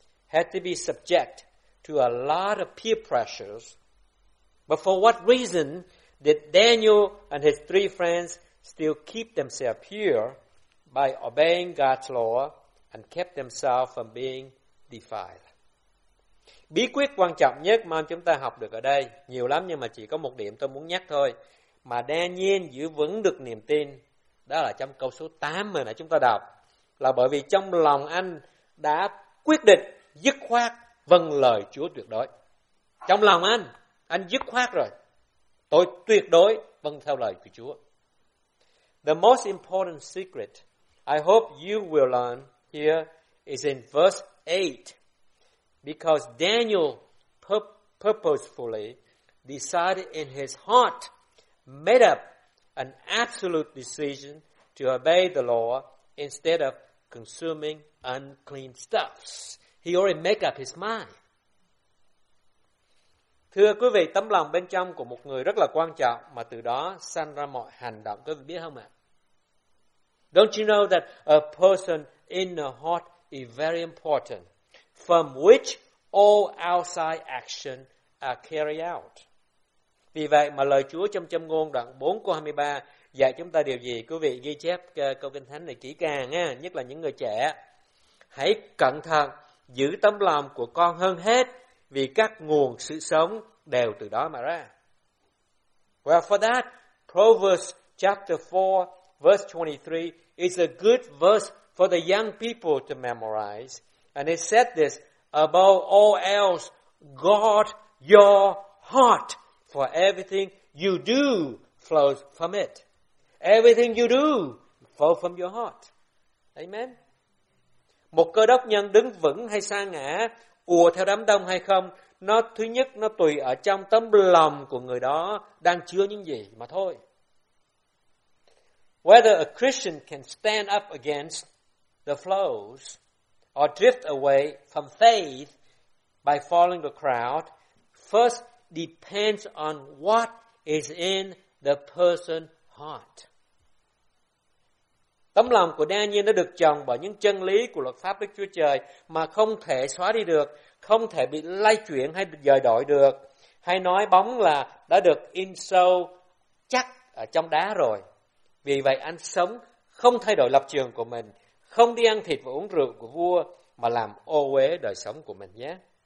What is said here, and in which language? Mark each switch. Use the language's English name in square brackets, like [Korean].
[English] Had to be subject to a lot of peer pressures. But for what reason did Daniel and his 3 friends still keep themselves pure by obeying God's law and kept themselves from being defiled? [Vietnamese] Bí quyết quan trọng nhất mà chúng ta học được ở đây, nhiều lắm nhưng mà chỉ có một điểm tôi muốn nhắc thôi, mà Daniel giữ vững được niềm tin, đó là trong câu số 8 mà nãy chúng ta đọc, là bởi vì trong lòng anh đã quyết định dứt khoát vâng lời Chúa tuyệt đối. Trong lòng anh dứt khoát rồi, tôi tuyệt đối vâng theo lời của Chúa. [English] The most important secret I hope you will learn here is in verse 8, because Daniel purposefully decided in his heart, made up an absolute decision to obey the law instead of consuming unclean stuffs. He already made up his mind. [Vietnamese] Thưa quý vị, tấm lòng bên trong của một người rất là quan trọng mà từ đó sanh ra mọi hành động. Quý vị biết không ạ? [English] Don't you know that a person's inner heart is very important, from which all outside action are carried out? [Vietnamese] Vì vậy mà lời Chúa trong Châm Ngôn đoạn 4 câu 23 dạy chúng ta điều gì? Quý vị ghi chép câu Kinh Thánh này kỹ càng nha, nhất là những người trẻ. Hãy cẩn thận giữ tấm lòng của con hơn hết, vì các nguồn sự sống đều từ đó mà ra. [English] Well, for that, Proverbs chapter 4, verse 23 is a good verse for the young people to memorize. And it said this, above all else, guard your heart, for everything you do flows from it. Everything you do flows from your heart. Amen. [Vietnamese] Một cơ đốc nhân đứng vững hay sa ngã, ùa theo đám đông hay không, nó thứ nhất nó tùy ở trong tấm lòng của người đó đang chứa những gì mà thôi. [English] Whether a Christian can stand up against the flows or drift away from faith by following the crowd first depends on what is in the person's heart. [Vietnamese] Tấm lòng của Daniel nó được chồng bởi những chân lý của luật pháp Đức Chúa Trời mà không thể xóa đi được, không thể bị lay chuyển hay dời đổi được, hay nói bóng là đã được in sâu chắc ở trong đá rồi. Vì vậy anh sống không thay đổi lập trường của mình, không đi ăn thịt và uống rượu của vua mà làm ô uế đời sống của mình nhé.